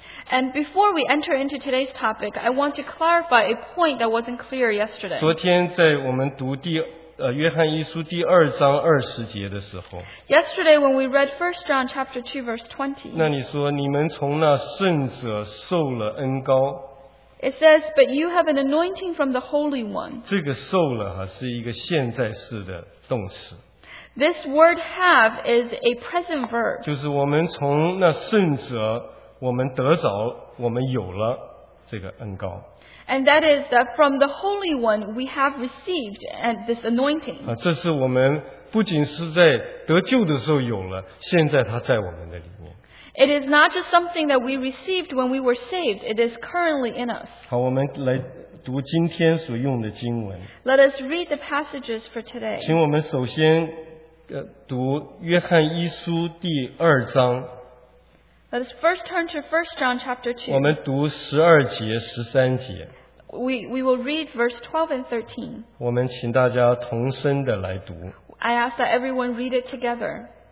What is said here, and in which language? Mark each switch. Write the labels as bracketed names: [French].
[English] And before we enter into today's topic, I want to clarify a point that wasn't clear yesterday. [Chinese] 昨天在我们读第约翰一书第二章二十节的时候。 [English] Yesterday when we read 1 John chapter 2 verse 20. [Chinese] 那你说你们从那圣者受了恩膏。 [English] It says, but you have an anointing from the Holy One. [Chinese] 这个受了是一个现在式的动词。 [English] This word have is a present verb. [Chinese] 就是我们从那圣者我们得着我们有了这个恩膏。 [English] And that is that from the Holy One we have received this anointing. [Chinese] 这是我们不仅是在得救的时候有了现在它在我们的里面。 [English] It is not just something that we received when we were saved. It is currently in us. [Chinese] 好，我们来读今天所用的经文。 [English] Let us read the passages for today. [Chinese] 请我们首先读约翰一书第二章。 [English] Let us first turn to 1 John chapter 2. [Chinese] 我们读十二节、十三节。 [English] We will read verse 12 and 13. [Chinese] 我们请大家同声的来读。 [English] I ask that everyone read it together.